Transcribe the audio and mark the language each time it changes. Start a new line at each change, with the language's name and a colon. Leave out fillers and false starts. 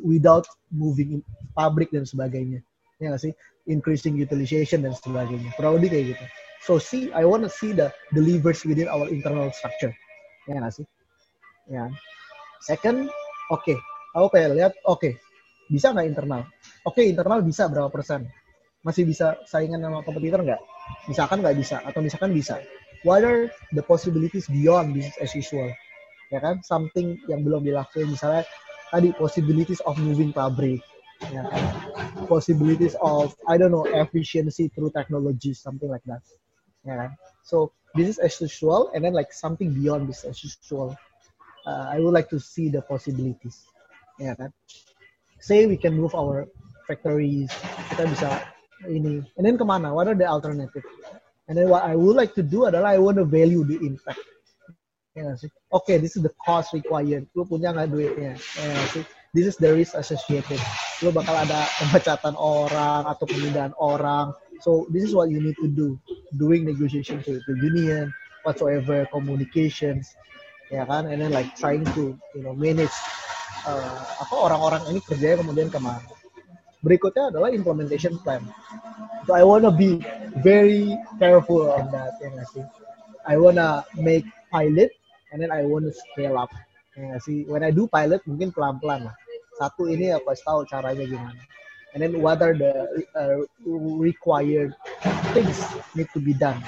English: Without moving in public
Indonesian: dan sebagainya. Ya nggak sih?
English: Increasing utilization
Indonesian: dan sebagainya. Kurang lebih kayak gitu.
English: So see, I want to see the levers within our internal structure.
Indonesian: Ya nggak sih? Ya. Second, okay. Aku pengen lihat, okay. Bisa nggak internal? Okay, internal bisa berapa persen? Masih bisa saingan sama kompetitor nggak? Misalkan nggak bisa, atau misalkan bisa.
English: What are the possibilities beyond business as usual?
Indonesian: Ya kan? Something yang belum dilakuin, misalnya tadi
English: possibilities of moving fabric.
Indonesian: Ya kan?
English: Possibilities of, I don't know, efficiency through technology, something like that. Ya kan? So, business as usual, and then like something beyond business as usual. I would like to see the possibilities. Ya kan? Say we can move our factories,
Indonesian: kita bisa ini,
English: and then kemana? What are the alternative? And then what I would like to do adalah I want to value the impact. Yeah, see. Okay, this is the cost required.
Indonesian: Lu punya nggak duitnya?
English: Yeah, see. This is the risk associated.
Indonesian: Lu bakal ada pemecatan orang atau penundaan orang.
English: So this is what you need to do. Doing negotiations with the union, whatsoever communications. ya kan, and then like trying to, you know, manage
Indonesian: apa orang-orang ini kerjanya kemudian kemana. Berikutnya adalah implementation plan.
English: So I wanna be very careful on that, ya nggak sih. I wanna make pilot and then I wanna scale up, ya nggak sih. When I do pilot
Indonesian: mungkin pelan-pelan lah. Satu ini ya pasti tahu caranya gimana.
English: And then what are the required things need to be done?